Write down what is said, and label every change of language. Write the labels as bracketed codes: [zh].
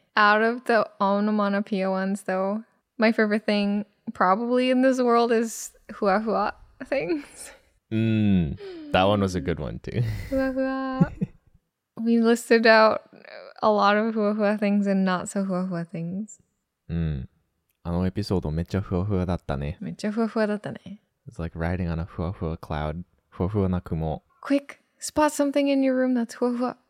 [en] Out of the onomatopoeia ones, though, my favorite thing probably in this world is hua hua things. That one was a good one too. We listed out a lot of ふわふわ things and not so ふわふわ things. [ja] あのエピソードめっちゃふわふわだったね。めっちゃふわふわだったね。 [en] It's like riding on a ふわふわ cloud. [ja] ふわふわな雲。 [en] Quick, spot something in your room that's ふわふわ。